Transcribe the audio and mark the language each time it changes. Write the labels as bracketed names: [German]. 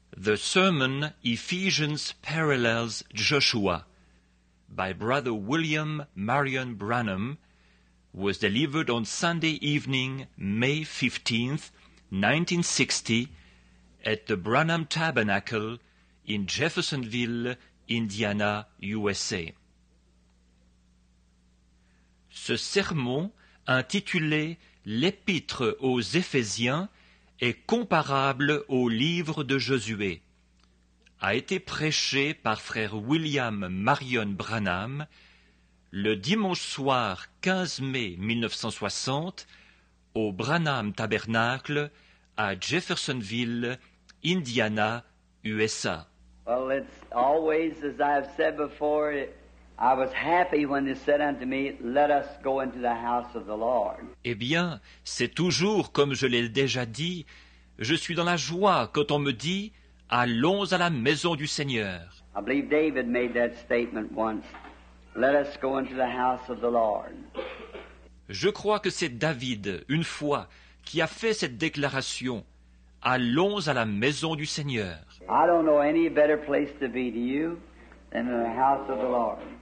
[English] The Sermon Ephesians Parallels Joshua by Brother William Marion Branham was delivered on Sunday evening, May 15, 1960, at the Branham Tabernacle in Jeffersonville, Indiana, USA. [French] Ce sermon, intitulé L'Épître aux Éphésiens, est comparable au livre de Josué, a été prêché par frère William Marion Branham le dimanche soir 15 mai 1960 au Branham Tabernacle à Jeffersonville, Indiana, USA. [English] Well, it's always, as I've said before, I was happy when they said unto me, let us go into the house of the Lord. [French] Eh bien, c'est toujours comme je l'ai déjà dit, je suis dans la joie quand on me dit, allons à la maison du Seigneur. [English] I believe David made that statement once, let us go into the house of the Lord. [French] Je crois que c'est David, une fois, qui a fait cette déclaration, allons à la maison du Seigneur. [English] I don't know any better place to be to you than in the house of the Lord.